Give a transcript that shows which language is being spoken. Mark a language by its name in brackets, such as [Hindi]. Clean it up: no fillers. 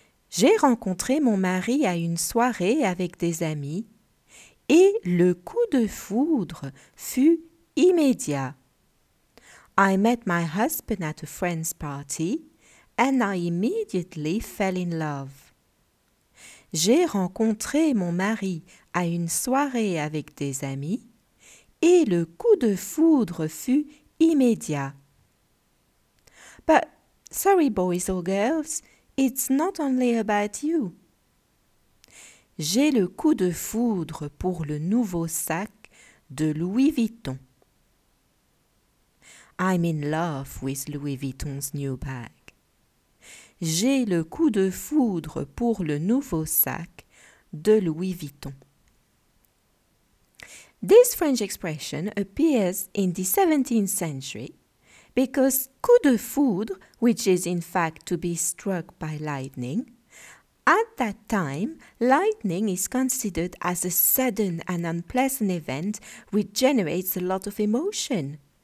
[French] J'ai rencontré mon mari à une soirée avec des amis et le coup de foudre fut immédiat. [English] I met my husband at a friend's party and I immediately fell in love. [French] J'ai rencontré mon mari à une soirée avec des amis et le coup de foudre fut immédiat. [English] But sorry boys or girls, it's not only about you. [French] J'ai le coup de foudre pour le nouveau sac de Louis Vuitton. [English] I'm in love with Louis Vuitton's new bag. [French] J'ai le coup de foudre pour le nouveau sac de Louis Vuitton. [English] This French expression appears in the 17th century because coup de foudre, which is in fact to be struck by lightning, at that time, lightning is considered as a sudden and unpleasant event which generates a lot of emotion.